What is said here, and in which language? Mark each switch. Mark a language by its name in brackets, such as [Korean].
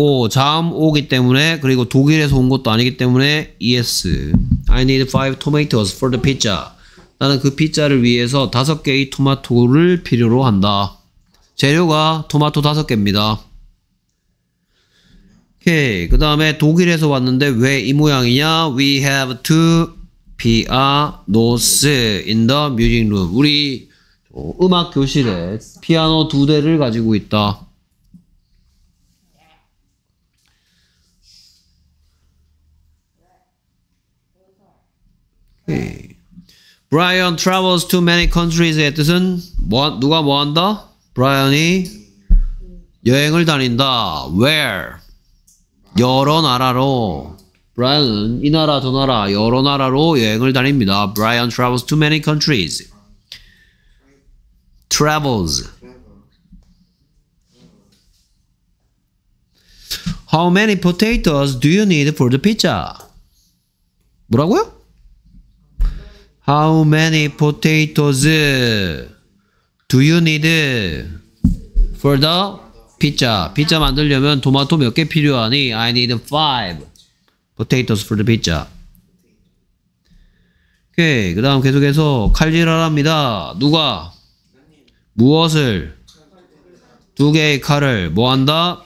[Korean] 자음 O이기 때문에 그리고 독일에서 온 것도 아니기 때문에 ES. [English] I need 5 tomatoes for the pizza. [Korean] 나는 그 피자를 위해서 다섯 개의 토마토를 필요로 한다. 재료가 토마토 다섯 개입니다. 오케이. 그 다음에 독일에서 왔는데 왜 이 모양이냐? [English] We have two pianos in the music room. [Korean] 우리 음악 교실에 피아노 두 대를 가지고 있다. 오케이. [English] Brian travels to many countries [Korean] 의 뜻은 뭐, 누가 뭐 한다? Brian이 여행을 다닌다. Where? 여러 나라로. Brian은 이 나라 저 나라 여러 나라로 여행을 다닙니다. [English] Brian travels to many countries. Travels. How many potatoes do you need for the pizza? [Korean] 뭐라고요? [English] How many potatoes do you need for the pizza? [Korean] 피자 만들려면 토마토 몇 개 필요하니? [English] I need 5 potatoes for the pizza. [Korean] 오케이. 그 다음 계속해서 칼질을 합니다. 누가? 무엇을? 두 개의 칼을 뭐 한다?